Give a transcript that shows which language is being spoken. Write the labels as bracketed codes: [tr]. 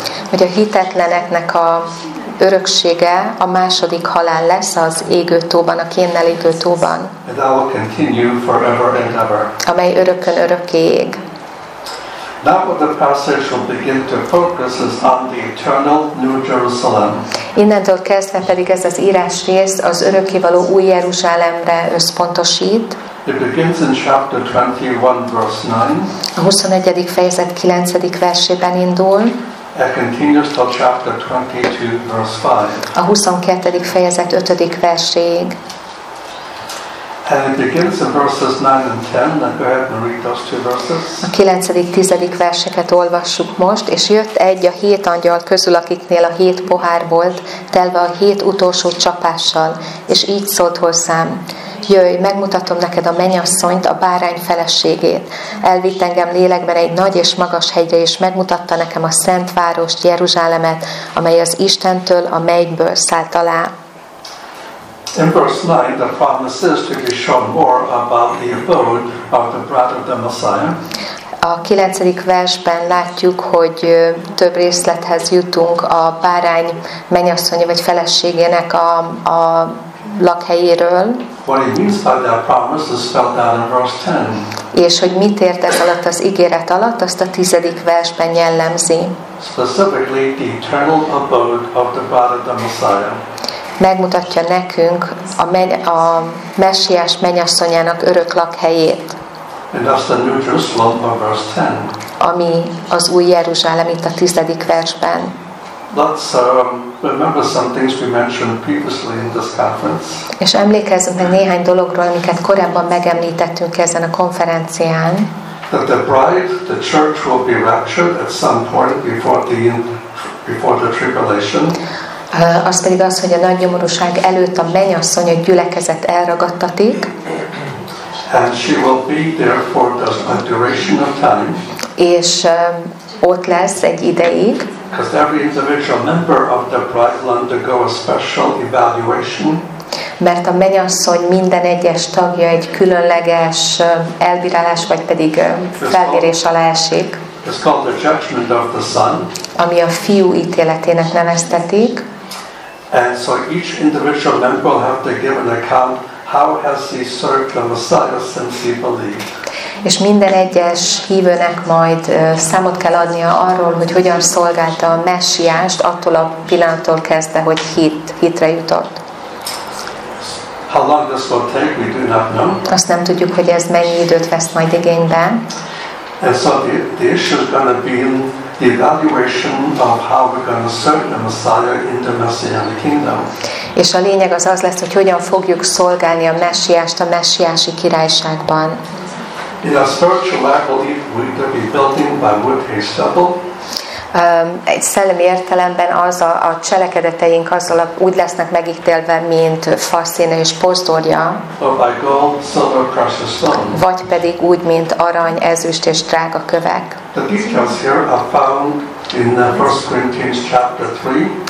[hu] Hogy a hitetleneknek a öröksége a második halál lesz az égő tóban, a kénnel égő tóban. [en] And that will continue forever and ever. [hu] Amely örökön örökké ég. [en] Now what the passage will begin to focus is on the eternal New Jerusalem. [hu] Innentől kezdve pedig ez az írás rész az örökkévaló Új Jeruzsálemre összpontosít. [en] It begins in chapter 21, verse 9. [hu] A 21. fejezet 9. versében indul. [en] It continues till chapter 22, verse 5. [hu] A 22. fejezet 5. verséig. [en] And it begins in verses 9 and 10. Now go ahead and read those two verses. [hu] A 9. 10. verseket olvassuk most, és jött egy a hét angyal közül, akiknél a hét pohár volt, telve a hét utolsó csapással, és így szólt hozzám. Jöjj, megmutatom neked a mennyasszonyt, a bárány feleségét. Elvitt engem lélekben egy nagy és magas hegyre, és megmutatta nekem a szent várost, Jeruzsálemet, amely az Istentől, a mennyből szállt alá. [en] In verse 9, the promise is to be shown more about the abode of the bride of the Messiah. [hu] a 9. versben látjuk, hogy több részlethez jutunk a bárány mennyasszonya vagy feleségének a lakhelyéről. [en] What it means by that promise is spelled out in verse 10. [hu] És hogy mit ért ez alatt az ígéret alatt, azt a 10. versben jellemzi. [en] Specifically the eternal abode of the bride of the Messiah. [hu] Megmutatja nekünk a Messiás mennyasszonyának örök lakhelyét. [en] And that's the New Jerusalem of verse 10. [hu] Ami az Új Jeruzsálem itt a 10. versben. [en] Let's remember some things we mentioned previously in this conference. [hu] És emlékezzünk meg néhány dologról, amiket korábban megemlítettünk ezen a konferencián. [en] That the bride, the church will be raptured at some point before the tribulation. [hu] Az pedig az, hogy a nagy nyomorúság előtt a mennyasszony a gyülekezet elragadtatik. [en] And she will be there for a duration of time. [hu] És ott lesz egy ideig. [en] Because every individual member of the bride will undergo a special evaluation. [hu] Mert a mennyasszony minden egyes tagja egy különleges elbírálás, vagy pedig felmérés alá esik. [en] It's called the judgment of the son. [hu] Ami a fiú ítéletének neveztetik. [en] And so each individual member will have to give an account how has he served the Messiah since he believed. [hu] És minden egyes hívőnek majd számot kell adnia arról, hogy hogyan szolgálta a Messiást attól a pillanattól kezdve, hogy hitre jutott. [en] How long this will take, we do not know. [hu] Azt nem tudjuk, hogy ez mennyi időt vesz majd igénybe. [en] And so the issue is going to be the evaluation of how we're going to serve the Messiah in the Messianic kingdom. [hu] És a lényeg az lesz, hogy hogyan fogjuk szolgálni a Messiást a messiási királyságban. [en] In a spiritual level, we either be building by wood, hay, stubble. [hu] Egy szellemi értelemben az a cselekedeteink azzal úgy lesznek megítélve, mint faszéne és posztorja. [en] Or by gold, silver, precious stone. [hu] Vagy pedig úgy, mint arany, ezüst és drága kövek. [en] The details here are found in 1 Corinthians chapter 3.